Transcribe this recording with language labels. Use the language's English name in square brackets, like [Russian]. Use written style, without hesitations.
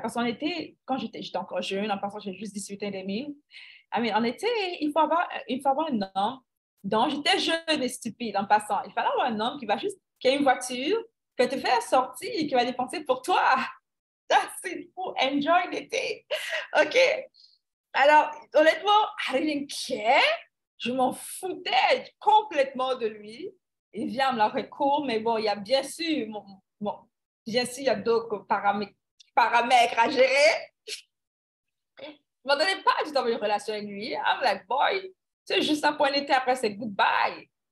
[French] Parce qu'en été, quand j'étais encore jeune, en passant, j'ai juste 18 ans et demi. En été, il faut avoir un homme. Donc, j'étais jeune et stupide en passant. Il fallait avoir un homme qui va juste, qui a une voiture, qui va te faire sortir et qui va dépenser pour toi. [English] That's it. Oh, enjoy [French] l'été. [English] OK. [French] Alors, honnêtement, [English] I didn't care. [French] Je m'en foutais complètement de lui. Il vient me la recours, mais bon, il y a bien sûr, bien sûr, il y a d'autres paramètres à gérer. Je m'en donnais pas du temps pour une relation avec lui. [English] I'm like, boy, [French] c'est juste un point d'été après, c'est goodbye.